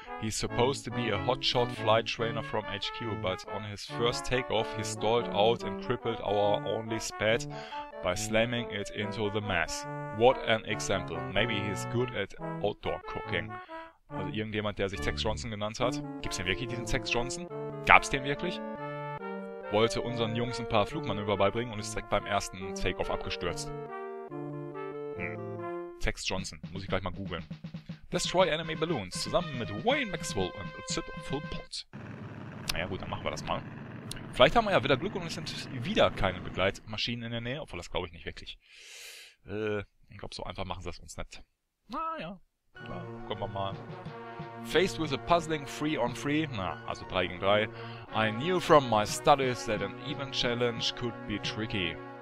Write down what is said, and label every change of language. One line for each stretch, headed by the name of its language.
English: He's supposed to be a hotshot flight trainer from HQ, but on his first takeoff, he stalled out and crippled our only sped by slamming it into the mass. What an example. Maybe he's good at outdoor cooking.
German: Also irgendjemand, der sich Tex Johnson genannt hat. Gibt's denn wirklich diesen Tex Johnson? Gab's den wirklich? Wollte unseren Jungs ein paar Flugmanöver beibringen und ist direkt beim ersten Takeoff abgestürzt. Tex Johnson. Muss ich gleich mal googeln.
English: Destroy Enemy Balloons.
German: Zusammen mit Wayne Maxwell und Zip Full Pot. Naja gut, dann machen wir das mal. Vielleicht haben wir ja wieder Glück und es sind wieder keine Begleitmaschinen in der Nähe. Obwohl, das glaube ich nicht wirklich. Ich glaube, so einfach machen sie das uns nicht. Naja. Ja, gucken wir mal.
English: Faced with a puzzling 3-on-3,
German: na, also 3 gegen 3,
English: I knew from my studies that an even challenge could be tricky.